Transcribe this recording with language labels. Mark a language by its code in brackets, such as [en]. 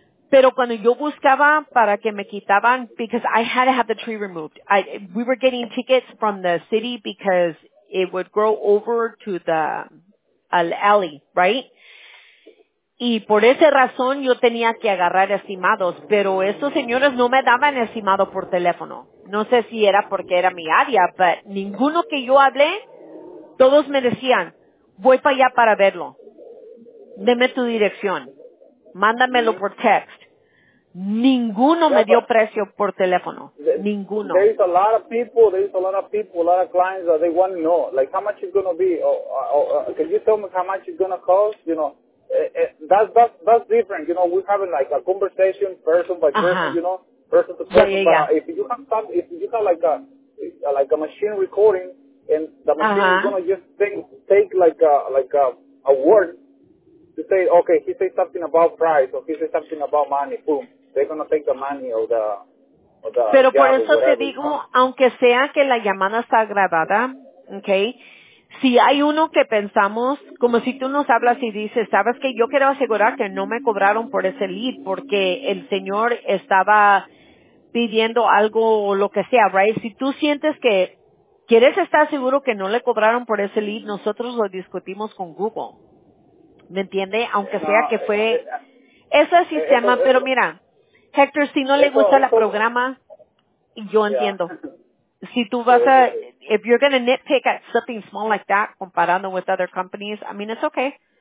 [es] Pero cuando yo buscaba para que me quitaban, [en] because I had to have the tree removed. We were getting tickets from the city because it would grow over to the... al alley, right? [es] Y por esa razón yo tenía que agarrar estimados, pero estos señores no me daban estimado por teléfono. No sé si era porque era mi área, pero ninguno que yo hablé, todos me decían, voy para allá para verlo. Deme tu dirección. Mándamelo por text. Ninguno me dio precio por teléfono. Ninguno. [en] There's a lot of people, a lot of clients that they want to know, like, how much it's going to be, or can you tell me how much it's going to cost, you know, that's different, you know, we're having like a conversation person by person, you know, person to person, if you have like a machine recording, and the machine is going to just take a word to say, okay, he says something about price, or he says something about money, boom. [es] Pero por eso te digo, aunque sea que la llamada está grabada, okay, si hay uno que pensamos, como si tú nos hablas y dices, sabes que yo quiero asegurar que no me cobraron por ese lead porque el señor estaba pidiendo algo o lo que sea, right? Si tú sientes que quieres estar seguro que no le cobraron por ese lead, nosotros lo discutimos con Google, ¿me entiende? Aunque sea que fue ese sistema, pero mira, Hector, si no le gusta el programa, yo entiendo. Si tú vas a, [en] if you're going to nitpick at something small like that, [es] comparando [en] with other companies, I mean, it's okay.